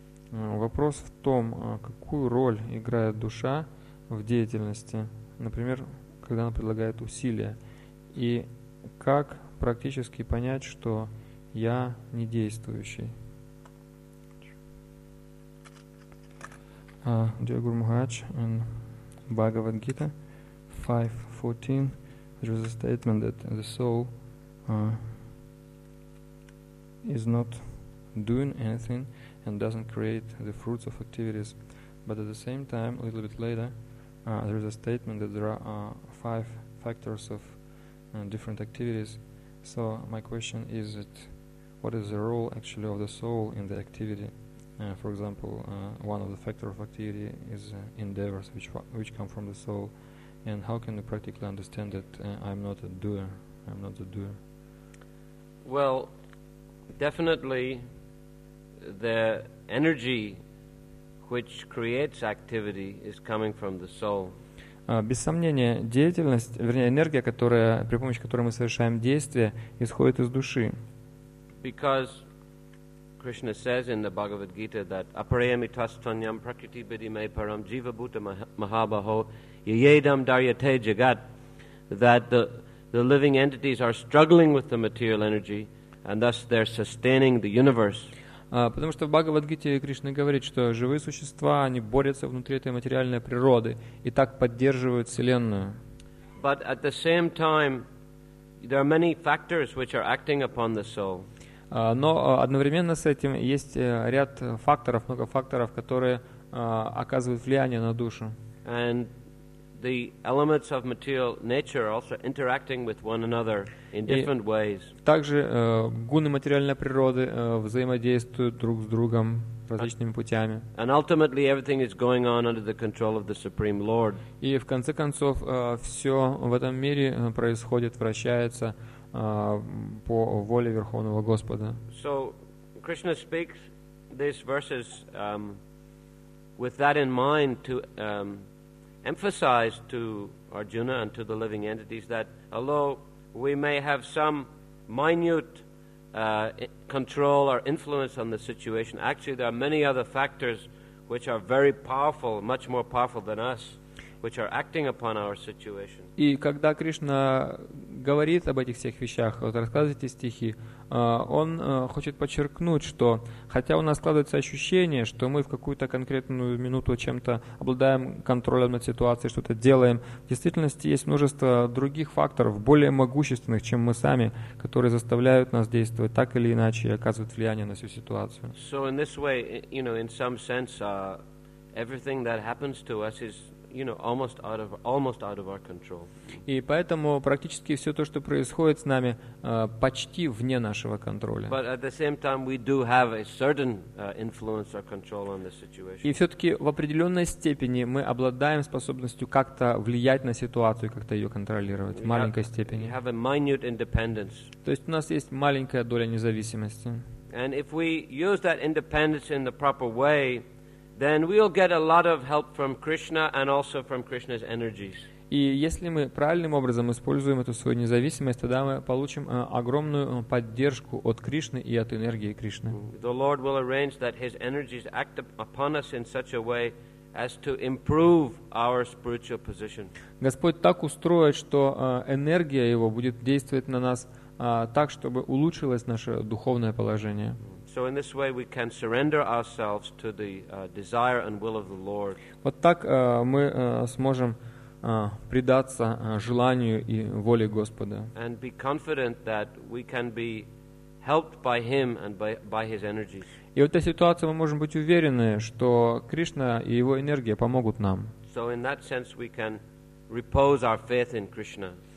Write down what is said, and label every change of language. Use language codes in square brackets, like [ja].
[ru] Вопрос в том, какую роль играет душа в деятельности, например, когда она предлагает усилия, и как практически понять, что я не действующий. [en] Dear Guru Maharaj, in Bhagavad Gita 5.14, there is a statement that the soul is not doing anything and doesn't create the fruits of activities. But at the same time, a little bit later, there is a statement that there are 5 factors of different activities. So my question is, that what is the role actually of the soul in the activity? For example, one of the factors of activity is endeavors, which come from the soul. And how can you practically understand that I'm not a doer? I'm not a doer. Well, definitely, the energy which creates activity is coming from the soul. [ru] Без сомнения, деятельность, вернее, энергия, которая, при помощи которой мы совершаем действия, исходит из души. [en] Because Krishna says in the Bhagavad Gita that [sa] apareyamitasthanyam prakriti bidime param jiva bhuta mahabaho yayedam daryate jagat, [en] that the living entities are struggling with the material energy and thus they're sustaining the universe. [ru] Потому что в Бхагавад-гите Кришна говорит, что живые существа, они борются внутри этой материальной природы и так поддерживают Вселенную. [en] But at the same time, there are many factors which are acting upon the soul. [ru] Но одновременно с этим есть ряд факторов, много факторов, которые оказывают влияние на душу. [en] And the elements of material nature are also interacting with one another in different ways. [ru] Также гуны материальной природы взаимодействуют друг с другом различными путями. [en] And ultimately everything is going on under the control of the Supreme Lord. [ru] И в конце концов все в этом мире происходит, вращается по воле Верховного Господа. [en] So Krishna speaks these verses with that in mind to emphasize to Arjuna and to the living entities that although we may have some minute control or influence on the situation, actually there are many other factors which are very powerful, much more powerful than us, which are acting upon our situation. [ru] И когда Кришна говорит об этих всех вещах, вот рассказывает эти стихи, он хочет подчеркнуть, что хотя у нас складывается ощущение, что мы в какую-то конкретную минуту чем-то обладаем контролем над ситуацией, что-то делаем, в действительности есть множество других факторов, более могущественных, чем мы сами, которые заставляют нас действовать так или иначе и оказывают влияние на всю ситуацию. [en] So in this way, you know, in some sense, everything that happens to us is, you know, almost out of our control. [ru] И поэтому практически все то, что происходит с нами, почти вне нашего контроля. [en] But at the same time, we do have a certain influence or control on the situation. [ru] И все-таки в определенной степени мы обладаем способностью как-то влиять на ситуацию, как-то ее контролировать, в маленькой степени. [en] We have a minute independence. [ru] То есть у нас есть маленькая доля независимости. [en] And if we use that independence in the proper way, then we'll get a lot of help from Krishna and also from Krishna's energies. [ru] И если мы правильным образом используем эту свою независимость, тогда мы получим огромную поддержку от Кришны и от энергии Кришны. [en] The Lord will arrange that His energies act upon us in such a way as to improve our spiritual position. [ru] Господь так устроит, что энергия Его будет действовать на нас так, чтобы улучшилось наше духовное положение. [en] So in this way we can surrender ourselves to the desire and will of the Lord. [ru] Вот так мы сможем предаться желанию и воле Господа. [en] And be confident that we can be helped by Him and by His energies. [ru] И в этой ситуации мы можем быть уверены, что Кришна и Его энергия помогут нам. [en] So in that sense we can repose our faith in Krishna.